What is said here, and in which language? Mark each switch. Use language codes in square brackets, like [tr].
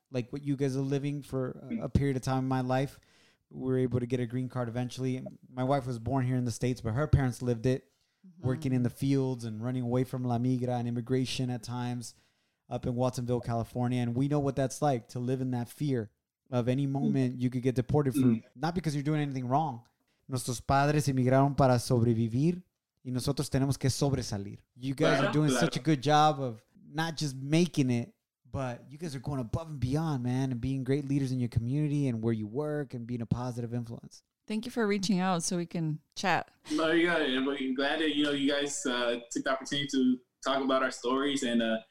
[en] Like what you guys are living for a period of time in my life. We were able to get a green card eventually. My wife was born here in the States, but her parents lived it, working in the fields and running away from La Migra and immigration at times up in Watsonville, California. And we know what that's like to live in that fear of any moment you could get deported from, not because you're doing anything wrong. [es] Nuestros padres emigraron para sobrevivir y nosotros tenemos que sobresalir. [en] You guys are doing such a good job of not just making it, but you guys are going above and beyond, man, and being great leaders in your community and where you work and being a positive influence. Thank you for reaching out so we can chat. Well, yeah, I'm glad that you guys took the opportunity to talk about our stories. And